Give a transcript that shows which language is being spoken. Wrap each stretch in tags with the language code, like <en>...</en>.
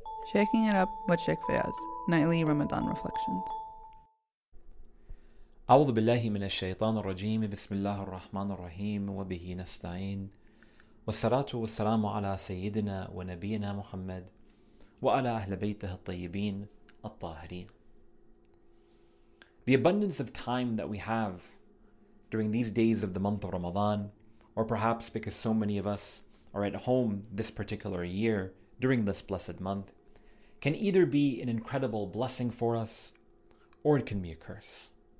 <en>Shaking it up with Sheikh Fayaz, nightly Ramadan reflections.</en> <ar>أعوذ بالله من الشيطان الرجيم بسم الله الرحمن الرحيم وبه نستعين والصلاة والسلام على سيدنا ونبينا محمد وعلى أهل بيته الطيبين الطاهرين.</ar> <en>The abundance of time that we have during these days of the month of Ramadan, or perhaps because so many of us are at home this particular year during this blessed month, can either be an incredible blessing for us or it can be a curse.</en>